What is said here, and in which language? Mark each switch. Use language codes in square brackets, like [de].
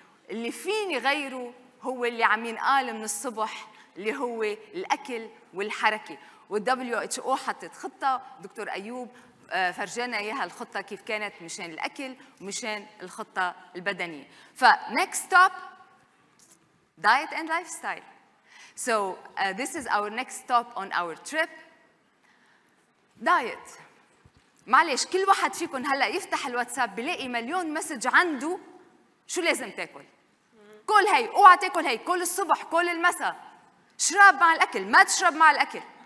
[ar] اللي فيني غيره هو اللي عم ينقال من الصبح، اللي هو الأكل والحركة. WHO حطت خطة، دكتور أيوب فرجينا إياها الخطة كيف كانت مشان الأكل ومشان الخطة البدنية. [en] فنكست stop diet and lifestyle. So this is our next stop on our trip. Diet. [ar] معلش كل واحد فيكم هلا يفتح الواتساب بلاقي مليون مسج عنده شو لازم تاكل. كل هاي، اوعى تاكل هاي، كل الصبح، كل المساء. شرب مع الاكل، ما تشرب مع الاكل.